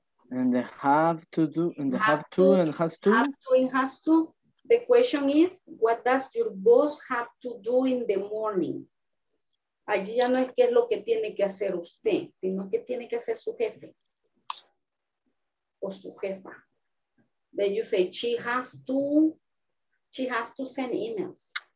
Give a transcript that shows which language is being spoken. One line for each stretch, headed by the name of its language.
English: And the have to do, and the have to and has to. The question is, what does your boss have to do in the morning?
Spanish: Allí ya no es qué es lo que tiene que hacer usted, sino qué tiene que hacer su jefe o su jefa.
English: Then you say, she has to send emails.